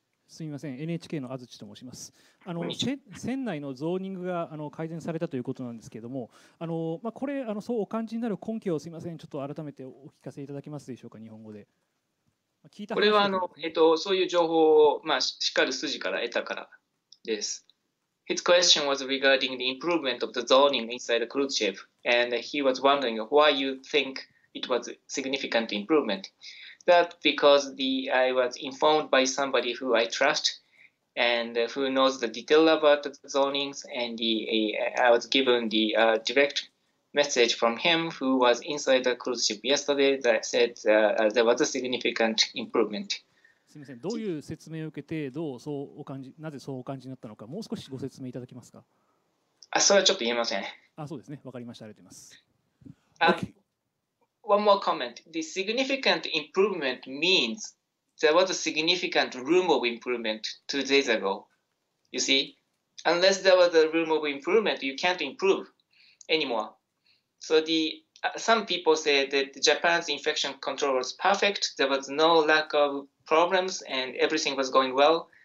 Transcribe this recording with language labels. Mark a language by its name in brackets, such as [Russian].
[Japanese] すみません、 NHK の安土と申します。船内のゾーニングが改善されたということなんですけれども、これそうお感じになる根拠をすみません、ちょっと改めてお聞かせいただけますでしょうか。日本語で聞いた。これはそういう情報を、しっかり筋から得たからです。 [English] His question was regarding the improvement of the zoning inside the cruise ship, and he was wondering why you think it was a significant improvement. That because I was informed by somebody who I trust and who knows the detail about the zonings, and I was given the direct message from him who was inside the cruise ship yesterday that said there was a significant improvement. [Japanese] すみません、どういう説明を受けて、どうそうお感じ、なぜそうお感じになったのか、もう少しご説明いただけますか。あ、それはちょっと言えません。あ、そうですね、わかりました、ありがとうございます。 [English] One more comment. The significant improvement means there was a significant room of improvement 2 days ago. You see? Unless there was a room of improvement, you can't improve anymore. So some people say that Japan's infection control was perfect, there was no lack of problems, and everything was going well.